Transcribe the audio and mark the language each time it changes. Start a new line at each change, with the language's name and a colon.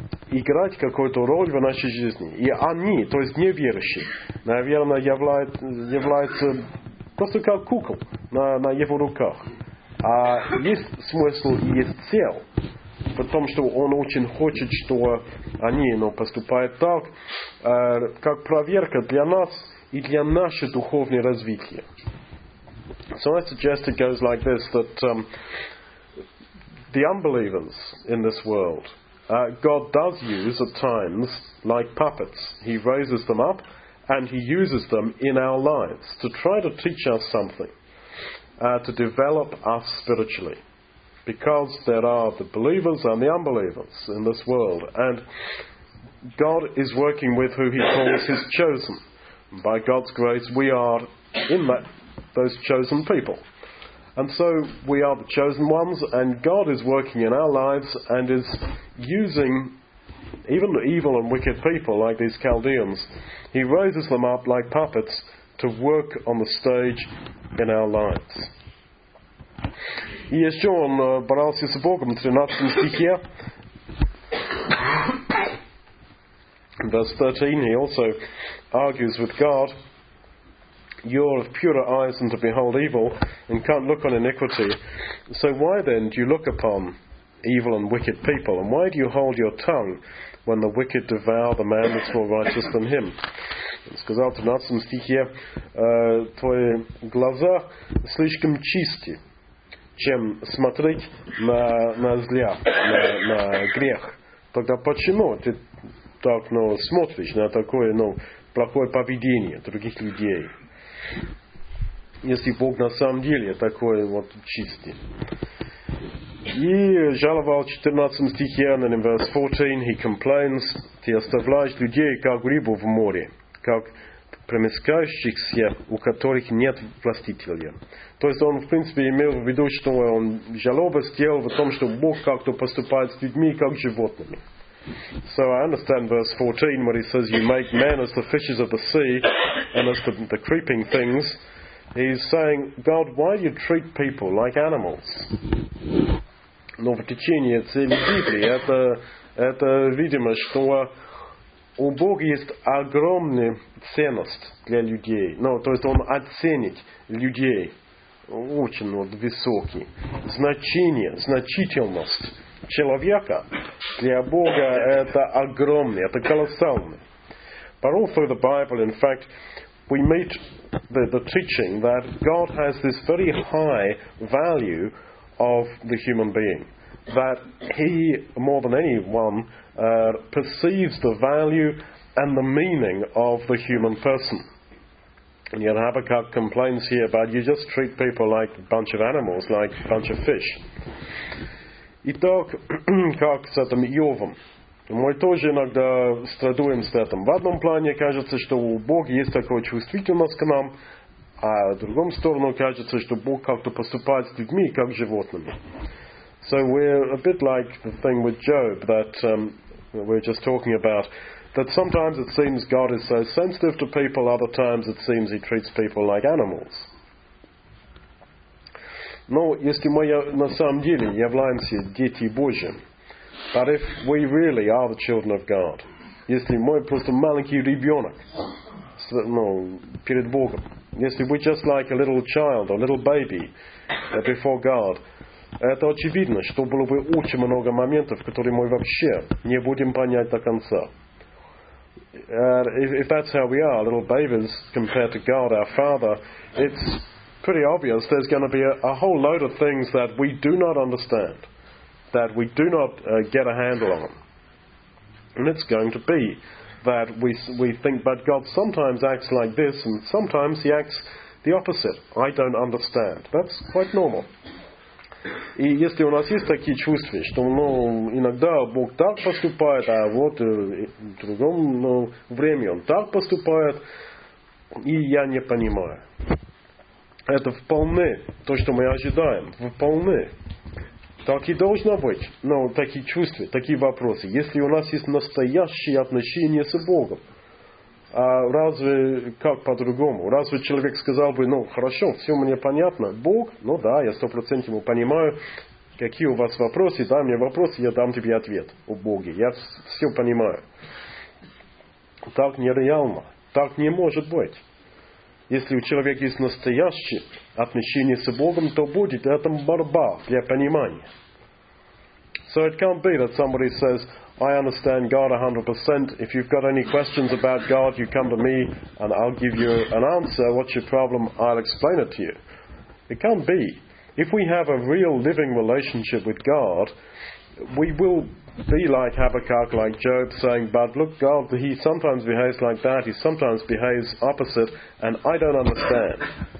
Russian: играть какую-то роль в нашей жизни. И они, то есть неверующие, наверное, являются просто как кукол на его руках. А есть смысл и есть цель в том, что он очень хочет, что они, но поступают так, как проверка для нас и для нашего духовного развития.
English: So I suggest it goes like this, that the unbelievers in this world, God does use at times like puppets. He raises them up and he uses them in our lives to try to teach us something, to develop us spiritually. Because there are the believers and the unbelievers in this world, and God is working with who he calls his chosen. By God's grace, we are in those chosen people. And so we are the chosen ones, and God is working in our lives and is using even the evil and wicked people like these Chaldeans. He raises them up like puppets to work on the stage in our lives.
Russian: И еще он боролся с Богом, 13 стихе.
English: Verse 13, he also argues with God. You're of purer eyes than to behold evil, and can't look on iniquity. So why then do you look upon evil and wicked people? And why do you hold your tongue when the wicked devour the man that's more righteous than him?
Russian: Он сказал в 13 стихе, твои глаза слишком чисты, чем смотреть на зля, на грех. Тогда почему ты так, ну, смотришь на такое, ну, плохое поведение других людей? Если Бог на самом деле такой вот чистый. И жаловал в 14 стихе,
English: and in verse 14 he complains,
Russian: ты оставляешь людей, как рыбу в море, как примескающихся, у которых нет властителя. То есть он, в принципе, имел в виду, что он жалобы сделал в том, что Бог как-то поступает с людьми, как животными.
English: So I understand verse 14 where he says, you make man as the fishes of the sea and as the creeping things. He's saying, God, why do you treat people like animals?
Russian: Но в течение целой Библии это видимо, что у Бога есть огромная ценность для людей. Ну, то есть он оценит людей очень вот высокие. Значение, значительность человека для Бога это огромное, это колоссальное.
English: But all through the Bible, in fact, we meet the teaching that God has this very high value of the human being. That he, more than anyone, perceives the value and the meaning of the human person. And yet Habakkuk complains here about you just treat people like a bunch of animals, like a bunch of fish.
Russian: Итак, как с этим Иовом? Мы тоже иногда страдуем с этим. В одном плане кажется, что у Бога есть такая чувствительность к нам, а в другом сторону кажется, что Бог как-то поступает с людьми, как с животными.
English: So we're a bit like the thing with Job that we're just talking about. That sometimes it seems God is so sensitive to people, other times it seems he treats people like animals.
Russian: Но если мы на самом деле являемся дети Божьи,
English: but if we really are the children of God,
Russian: если мы просто маленький ребенок, ну, перед Богом, если
English: we're just like a little child, a little baby before God,
Russian: это очевидно, что было бы очень много моментов, которые мы вообще не будем понять до конца.
English: If that's how we are, little babies compared to God, our Father, it's pretty obvious there's going to be a whole load of things that we do not understand, that we do not get a handle on. And it's going to be that we think, but God sometimes acts like this and sometimes he acts the opposite. I don't understand. That's quite normal.
Russian: И если у нас есть такие чувства, что, ну, иногда Бог так поступает, а вот в другом, ну, времени он так поступает, и я не понимаю. Это вполне то, что мы ожидаем. Вполне. Так и должно быть. Но такие чувства, такие вопросы. Если у нас есть настоящие отношения с Богом, а разве как по-другому? Разве человек сказал бы, ну, хорошо, все мне понятно. Бог, ну да, я 100% ему понимаю. Какие у вас вопросы, дай мне вопросы, я дам тебе ответ о Боге. Я все понимаю. Так нереально. Так не может быть. Если у человека есть настоящее отношение с Богом, то будет это борьба для понимания. So it can't be that somebody says, I understand God 100%. If you've got any questions about God, you come to me and I'll give you an answer. What's your problem? I'll explain it to you. It can't be. If we have a real living relationship with God, we will be like Habakkuk, like Job, saying, but look, God, he sometimes behaves like that, he sometimes behaves opposite, and I don't understand.